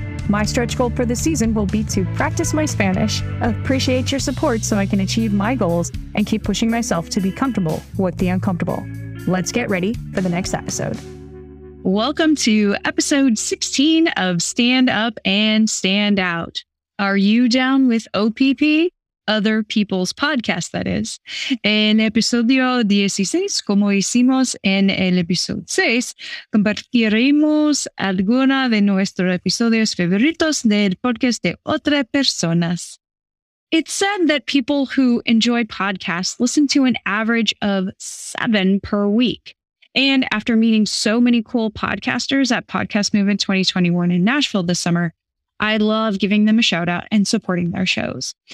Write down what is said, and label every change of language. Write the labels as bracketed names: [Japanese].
[English] My stretch goal for this season will be to practice my Spanish, appreciate your support so I can achieve my goals, and keep pushing myself to be comfortable with the uncomfortable. Let's get ready for the next episode. Welcome to episode 16 of Stand Up and Stand Out. Are you down with OPP? Other People's Podcast, that is. [Spanish] En episodio 16, como hicimos en el episodio 6, compartiremos alguna de nuestros episodios favoritos del podcast de otras personas. [English] It's said that people who enjoy podcasts listen to an average of 7 per week. And after meeting so many cool podcasters at Podcast Movement 2021 in Nashville this summer, I love giving them a shout out and supporting their shows.